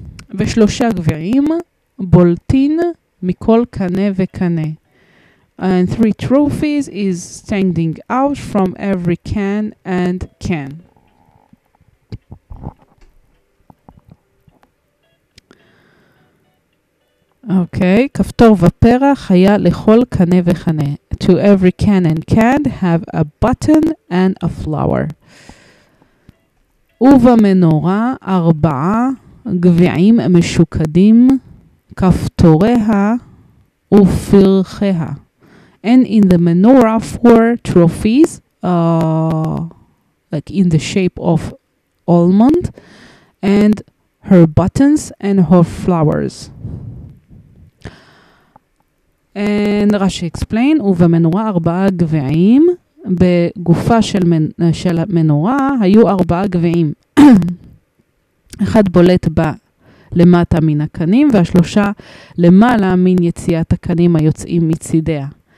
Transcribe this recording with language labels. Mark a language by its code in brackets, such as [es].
[he] ושלושה גביעים בולטין מכל קנה וקנה. [en] And three trophies is standing out from every can and can. Okay. [he] כפתור ופרח היה לכל קנה וקנה. [en] To every can and can have a button and a flower. [he] ובמנורה ארבעה גביעים משוקדים כפתוריה ופרחיה. [en] And in the menorah four trophies, like in the shape of almond, and her buttons and her flowers. And Rashi explain, [he] ובמנורה ארבעה גביעים, בגופה של של המנורה היו ארבעה גביעים. אחד בולט בה למטה מן הקנים, והשלושה למעלה מן יציאת הקנים היוצאים מצידיה.